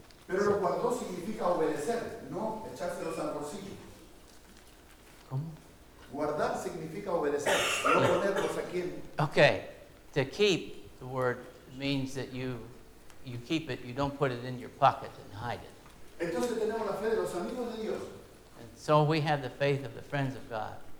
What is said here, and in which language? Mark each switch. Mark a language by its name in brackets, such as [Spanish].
[Spanish] Pero lo guardó significa obedecer, no echárselos al bolsillo. ¿Cómo? Guardar significa obedecer, no ponerlos aquí. [English] Okay. To keep, the word means that you keep it, you don't put it in your pocket and hide it. [Spanish] Entonces tenemos la fe de los amigos de Dios. [English] And so we have the faith of the friends of God.